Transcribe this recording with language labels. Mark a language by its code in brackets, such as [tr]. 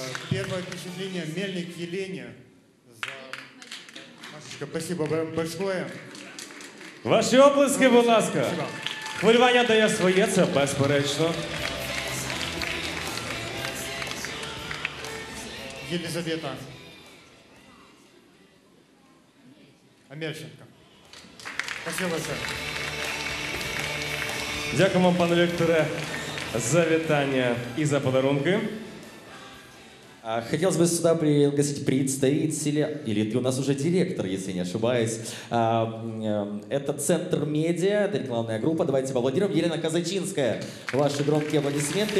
[ru] Первое впечатление – Мельник Елене. Машечка, спасибо вам большое. Ваши оплески, пожалуйста. [uk] Хвилювання дає своє, це безперечно. [ru] Елизавета. Амельченко. Спасибо большое. [uk] Дякую вам, пане Вікторе, за вітання і за подарунки. [ru] Хотелось бы сюда пригласить представителя, или ты у нас уже директор, если не ошибаюсь. Это Центр Медиа, это рекламная группа. Давайте поаплодируем. Елена Казачинская. Ваши громкие аплодисменты.